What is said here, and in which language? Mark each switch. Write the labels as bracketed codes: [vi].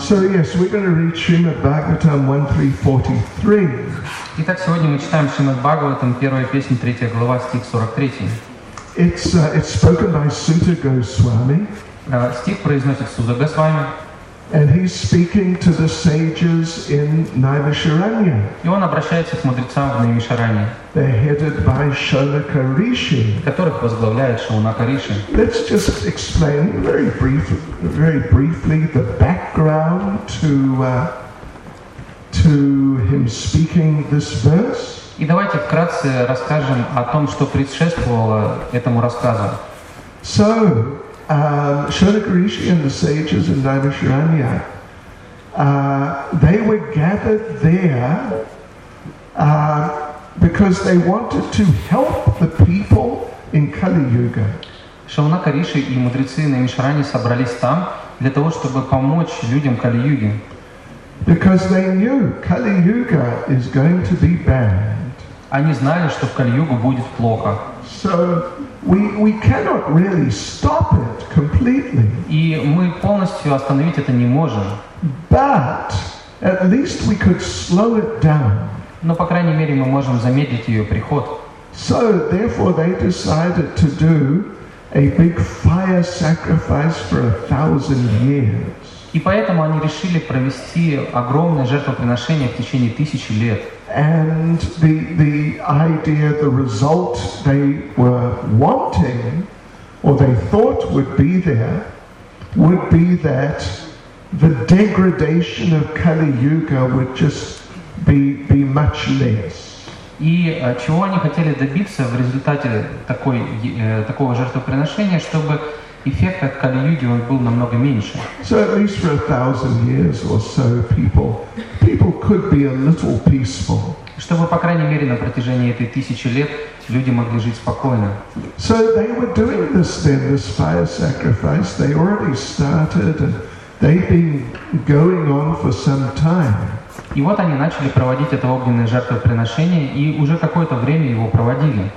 [en] So yes, we're going to read Srimad Bhagavatam 1.3.43. [ru] Итак, сегодня мы читаем Шримад Бхагаватам, первая песня, третья глава, стих 43. [en] It's spoken by Suta Goswami. [ru] Стих произносит Суза Госвами. [en] And he's speaking to the sages in Naimisharanya. [ru] И он обращается к мудрецам в Наимишаране. [en] They're headed by Shaunaka Rishi. [ru] Которых возглавляет Шаунака Риши. [en] Let's just explain very briefly the background to him speaking this verse. [ru] И давайте вкратце расскажем о том, что предшествовало этому рассказу. [en] So. Shaunaka Rishi and the sages in Naimisharanya, they were gathered there because they wanted to help the people in Kali Yuga. [ru] Шаунака Риши и мудрецы Наимишарани собрались там для того, чтобы помочь людям Кали Юги. [en] Because they knew Kali Yuga is going to be bad. [ru] Они знали, что в Кали Юге будет плохо. [en] So we cannot really stop it completely. [ru] И мы полностью остановить это не можем. [en] But at least we could slow it down. [ru] Но по крайней мере мы можем замедлить ее приход. [en] So therefore they decided to do a big fire sacrifice for 1,000 years. [ru] И поэтому они решили провести огромное жертвоприношение в течение 1000 лет. [en] And the idea, the result they were wanting, or they thought would be there, would be that the degradation of Kali Yuga would just be much less. [ru] И чего они хотели добиться в результате такого жертвоприношения, чтобы эффект от Кали-юги был намного меньше. [en] So at least for 1,000 years or so, people could be a little peaceful. [ru] Чтобы по крайней мере на протяжении этой 1000 лет люди могли жить спокойно. [en] So they were doing this then, this fire sacrifice. They already started, and They've been going on for some time. [ru] И вот они начали проводить это огненное жертвоприношение и уже какое-то время его проводили.